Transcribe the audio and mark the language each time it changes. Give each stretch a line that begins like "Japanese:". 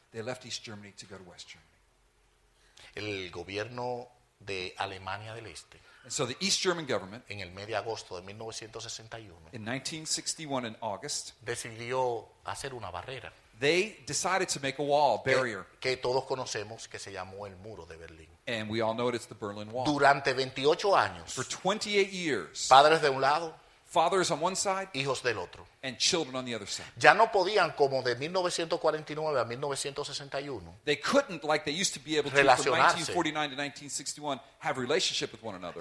English: They left East Germany to go to West Germany.
Spanish: El gobierno de Alemania del Este,
English: and so the East German government,
Spanish: en el mes de agosto de 1961,
English: in 1961 in August,
Spanish: decidió hacer una barrera.
English: They decided to make a wall, a barrier,
Spanish: que todos conocemos, que se llamó el Muro de Berlín.
English: And we all know it, it's the Berlin Wall.
Spanish: Durante 28 años,
English: for 28 years,
Spanish: padres de un lado,
English: Fathers on one side,
Spanish: hijos del otro.
English: And children on the other side.
Spanish: Ya no podían, como de 1949 a 1961,
English: they couldn't, like they used to be able to, from 1949 to 1961, have relationship with one another.